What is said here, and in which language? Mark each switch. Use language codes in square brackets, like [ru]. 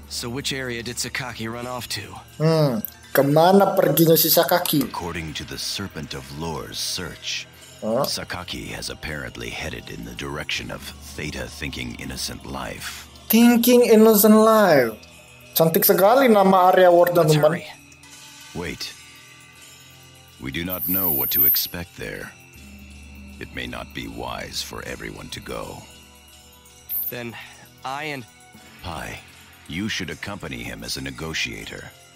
[en] So which area did Sakaki run off to? [id] Kemana perginya si Sakaki? [en] According to the Serpent of Lore's search, Sakaki has apparently headed in the direction of Theta Thinking Innocent Life. Thinking Innocent Life. [id] Cantik sekali nama Arya Ward dan teman. [en] Wait. We do not know what to expect there. It may not be wise for everyone to go. Then I and Pai, you should accompany him as a negotiator.